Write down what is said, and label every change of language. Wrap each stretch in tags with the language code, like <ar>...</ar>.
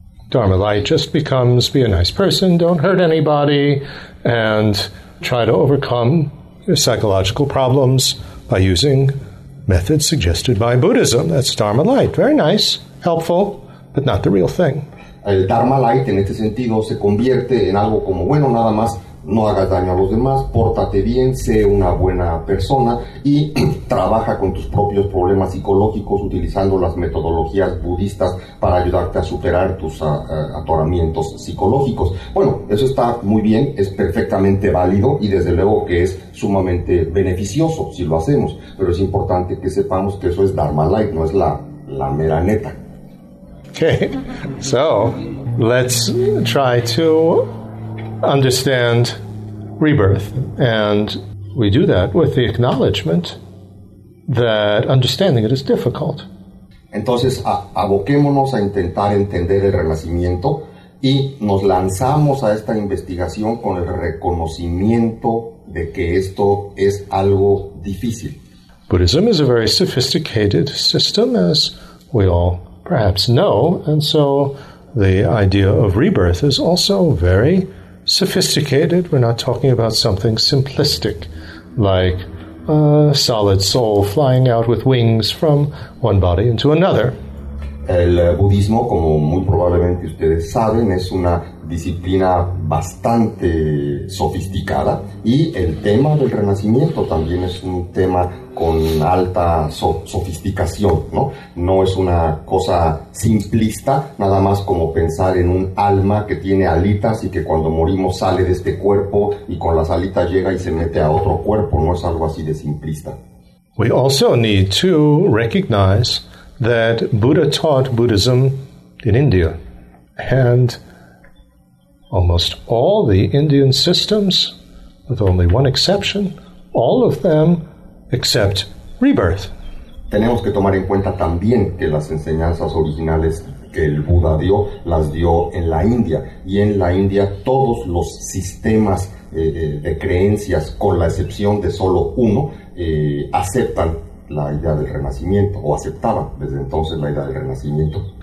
<en>Dharma light just becomes be a nice person, don't hurt anybody, and try to overcome your psychological problems by using methods suggested by Buddhism. That's Dharma light. Very nice, helpful, but not the real thing.</en> <es>El Dharma light en este sentido se convierte en algo como bueno, nada más, no hagas daño a los demás, pórtate bien, sé una buena persona y trabaja con tus propios problemas psicológicos utilizando las metodologías budistas para ayudarte a superar tus atoramientos psicológicos. Bueno, eso está muy bien, es perfectamente válido y desde luego que es sumamente beneficioso si lo hacemos, pero es importante que sepamos que eso es Dharma light, no es la mera neta.</es> <en>Okay, so let's try to understand rebirth, and we do that with the acknowledgement that understanding it is difficult.</en> <es>Entonces, aboquémonos a intentar entender el renacimiento y nos lanzamos a esta investigación con el reconocimiento de que esto es algo difícil.</es> <en>Buddhism is a very sophisticated system, as we all perhaps know, and so the idea of rebirth is also very sophisticated. We're not talking about something simplistic, like a solid soul flying out with wings from one body into another.</en> <es>El budismo, como muy probablemente ustedes saben, es una disciplina bastante sofisticada, y el tema del renacimiento también es un tema con alta sofisticación, ¿no? No es una cosa simplista, nada más como pensar en un alma que tiene alitas y que cuando morimos sale de este cuerpo y con las alitas llega y se mete a otro cuerpo. No es algo así de simplista.</es> <en>We also need to recognize that Buddha taught Buddhism in India, and almost all the Indian systems, with only one exception, all of them except rebirth.</en> <es>Tenemos que tomar en cuenta también que las enseñanzas originales que el Buda dio las dio en la India, y en la India todos los sistemas de creencias, con la excepción de solo uno, aceptan la idea del renacimiento, o aceptaban desde entonces la idea del renacimiento.</es>